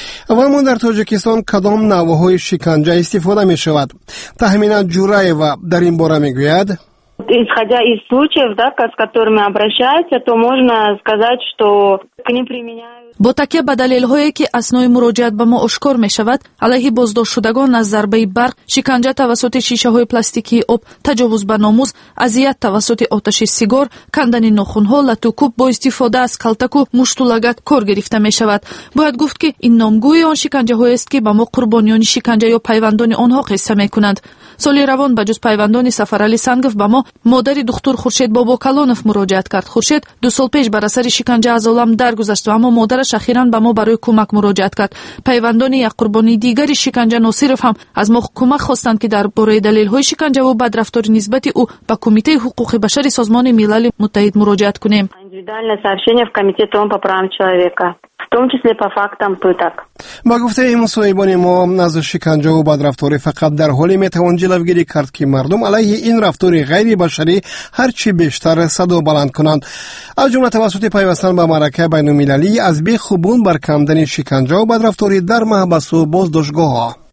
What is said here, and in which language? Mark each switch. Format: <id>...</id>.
<fa>و ما در تاجیکستان کدام نوع‌های شکنجه استفاده می‌شود؟ تخمینا جورایوا در این باره می‌گوید</fa> <ru>исходя из случаев, да, с которыми обращаются, то можно сказать, что к ним применяют.</ru> <tg>Бо такие бадалелҳое, ки асной муроҷиат ба мо ошкор мешавад, алайҳи боздоштшудагон аз зарбаи барқ, шиканҷа тавассути шишаҳои пластикии об, таҷовуз ба номус, азият тавассути оташи сигор, кандани нохунҳо, латукуб бо истифода аз калтаку мушту лагат кор гирифта мешавад. Бояд гуфт, ки ин номгӯи он шиканҷаҳоест, ки ба мо қурбониёни шиканҷа ё пайвандони онҳо қисса мекунанд. Соли равон ба ҷуз пайвандони Сафарали Сангов ба мо модари духтур Хуршед Бобокалонов муроҷиат кард. Хуршед ду сол пеш бар асари шиканҷа аз олам даргузашт, аммо модараш ахиран ба мо барои кӯмак муроҷиат кард. Пайвандони як қурбони дигари шиканҷа Носиров ҳам аз мо кӯмак хостанд, ки дар бораи далелҳои шиканҷаву бадрафторӣ нисбати ӯ ба кумитаи ҳуқуқи башари Созмони Милали Муттаҳид муроҷиат кунем.</tg> <ru>индивидуальное сообщение в комитет ООН по правам человека, в том числе по фактам пыток.</ru> <tg>Ба гуфтаи мусоибони мо, аз шиканҷа ва бадрафторӣ фақат дар ҳоле метавон ҷилавгирӣ кард, ки мардум алайҳи ин рафтори ғайрибашарӣ ҳарчи бештар садо баланд кунанд. аз ҷумла тавассути пайвастан ба маъракаи байнумилалӣ аз бехубун бар кандани шиканҷа ва бадрафторӣ дар маҳбасу боздоштгоҳҳо.</tg>